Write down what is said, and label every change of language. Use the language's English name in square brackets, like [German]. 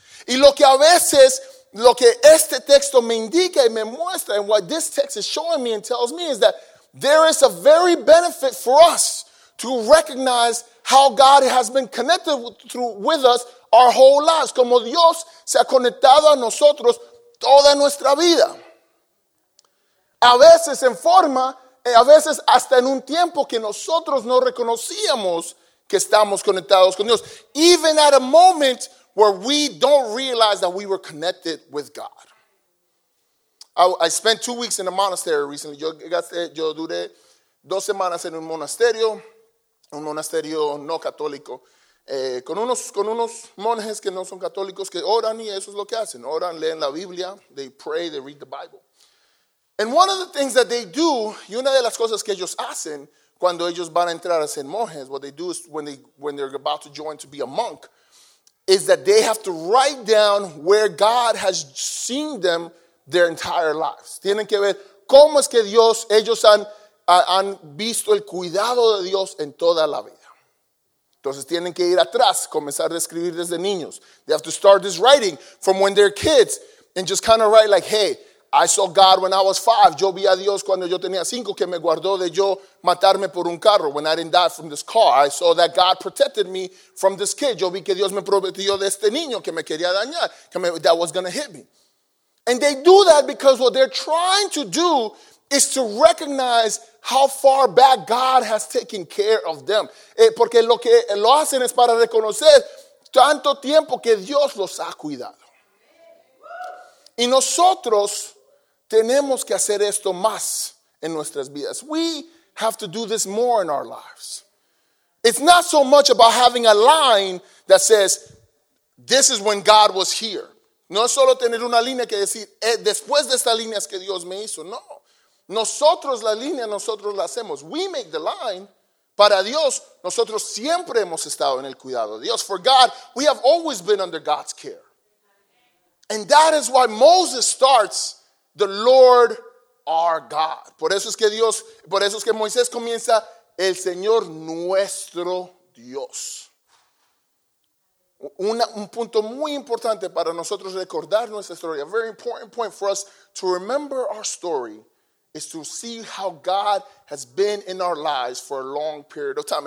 [Spanish] Y lo que a veces, lo que este texto me indica y me muestra, [English] and what this text is showing me and tells me is that there is a very benefit for us to recognize how God has been connected with us our whole lives. [Spanish] Como Dios se ha conectado a nosotros toda nuestra vida. A veces en forma, a veces hasta en un tiempo que nosotros no reconocíamos que estamos conectados con Dios. [English] Even at a moment where we don't realize that we were connected with God. I spent 2 weeks in a monastery recently. [Spanish] Yo duré 2 semanas en un monasterio no católico, con unos monjes que no son católicos, que oran y eso es lo que hacen. Oran, leen la Biblia, [English] they pray, they read the Bible. And one of the things that they do, [Spanish] y una de las cosas que ellos hacen cuando ellos van a entrar a ser monjes, [English] what they do is when they're about to join to be a monk, is that they have to write down where God has seen them their entire lives. [Spanish] Tienen que ver cómo es que Dios, ellos han visto el cuidado de Dios en toda la vida. Entonces tienen que ir atrás, comenzar a escribir desde niños. [English] They have to start this writing from when they're kids and just kind of write like, hey, I saw God when I was 5. [Spanish] Yo vi a Dios cuando yo tenía 5 que me guardó de yo matarme por un carro. [English] When I didn't die from this car, I saw that God protected me from this kid. [Spanish] Yo vi que Dios me protegió de este niño que me quería dañar, [English] that was going to hit me. And they do that because what they're trying to do is to recognize how far back God has taken care of them. [Spanish] Porque lo que lo hacen es para reconocer tanto tiempo que Dios los ha cuidado. Y nosotros tenemos que hacer esto más en nuestras vidas. [English] We have to do this more in our lives. It's not so much about having a line that says, this is when God was here. [Spanish] No es solo tener una línea que decir, después de esta línea es que Dios me hizo. No. Nosotros la línea, nosotros la hacemos. [English] We make the line. [Spanish] Para Dios, nosotros siempre hemos estado en el cuidado de Dios. [English] For God, we have always been under God's care. And that is why Moses starts, the Lord our God. [Spanish] Por eso es que Dios, por eso es que Moisés comienza, el Señor nuestro Dios. Un punto muy importante para nosotros recordar nuestra historia, [English] a very important point for us to remember our story, is to see how God has been in our lives for a long period of time.